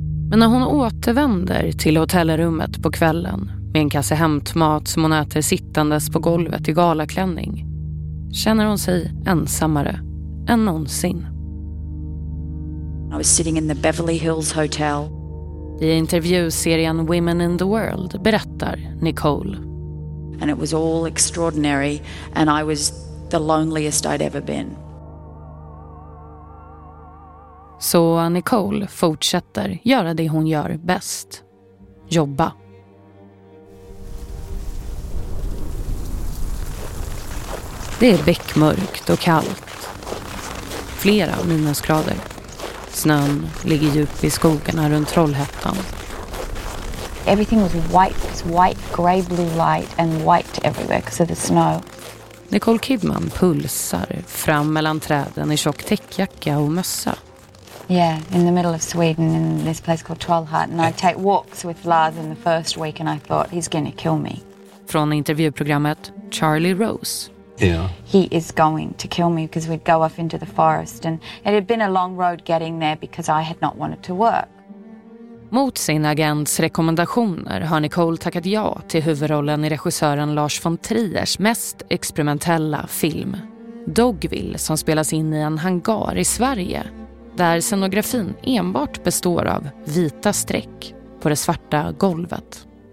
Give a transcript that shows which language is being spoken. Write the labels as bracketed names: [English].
[Swedish] Men när hon återvänder till hotellrummet på kvällen med en kasse hämtmat som hon äter sittandes på golvet i galaklänning, känner hon sig ensammare än någonsin. [English] I was sitting in the Beverly Hills Hotel. [Swedish] I intervjuserien Women in the World berättar Nicole. [English] And it was all extraordinary and I was the loneliest I'd ever been. [Swedish] Så Nicole fortsätter göra det hon gör bäst. Jobba. Det är beckmörkt och kallt. Flera minusgrader. Snön ligger djup i skogarna runt Trollhättan. [English] Everything was white, it's white, grey, blue light and white everywhere because of the snow. [Swedish] Nicole Kidman pulsar fram mellan träden i tjock täckjacka och mössa. [English] Yeah, in the middle of Sweden in this place called Trollhättan. I take walks with Lars in the first week and I thought he's going to kill me. [Swedish] Från intervjuprogrammet Charlie Rose. [English] Yeah. He is going to kill me because we'd go off into the forest and it had been a long road getting there because I had not wanted to work. [Swedish] Mot sin agents rekommendationer har Nicole tackat ja till huvudrollen i regissören Lars von Triers mest experimentella film Dogville, som spelas in i en hangar i Sverige där scenografin enbart består av vita streck på det svarta golvet.